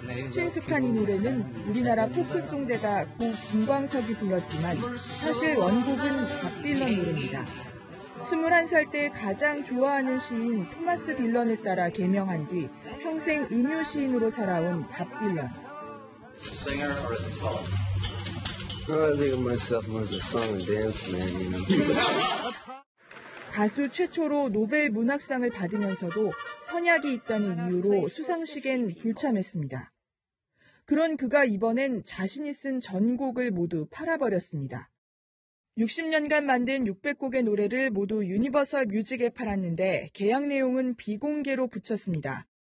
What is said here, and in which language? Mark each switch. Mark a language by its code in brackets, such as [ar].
[ko] 친숙한 이 노래는 우리나라 포크송대가 고 김광석이 불렀지만 사실 원곡은 밥 딜런 노래입니다. 21살 때 가장 좋아하는 시인 토마스 딜런을 따라 개명한 뒤 평생 음유 시인으로 살아온 밥 딜런. [en] I think of myself as a song and dance man, you know. [ko] 가수 최초로 노벨 문학상을 받으면서도 선약이 있다는 이유로 수상식엔 불참했습니다. 그런 그가 이번엔 자신이 쓴 전곡을 모두 팔아버렸습니다. 60년간 만든 600곡의 노래를 모두 유니버설 뮤직에 팔았는데 계약 내용은 비공개로 붙였습니다.